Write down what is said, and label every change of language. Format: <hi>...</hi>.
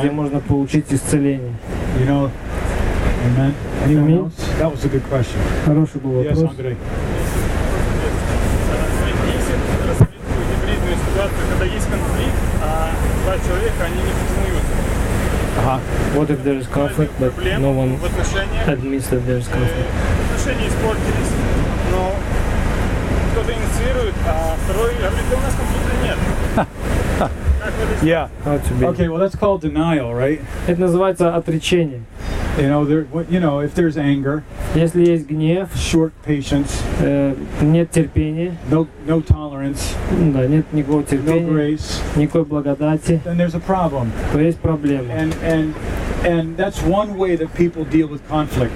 <ru>Где можно получить исцеление.</ru> <en>You know, amen. Anyone else? That was a good question.</en> <ru>Хороший был вопрос.</ru> <en>Yes, Andrei.</en> <ru>Гибридную ситуацию, когда есть конфликт, а два человека, они не признаются. Ага.</ru> <en>What if there is conflict, but no one admits that there is conflict?</en> <ru>Отношения испортились.</ru> <en>Okay, well, that's called denial, right?</en> <ru>Это называется отречение.</ru> <en>You know, if there's anger,</en> <ru>если есть гнев,</ru> <en>short patience,</en> <ru>нет терпения,</ru> <en>no tolerance,</en> <ru>да, нет никакого терпения,</ru> <en>no grace,</en> <ru>никакой благодати,</ru> <en>then there's a problem.</en> <ru>То есть проблема.</ru> <en>And And that's one way that people deal with conflict.</en>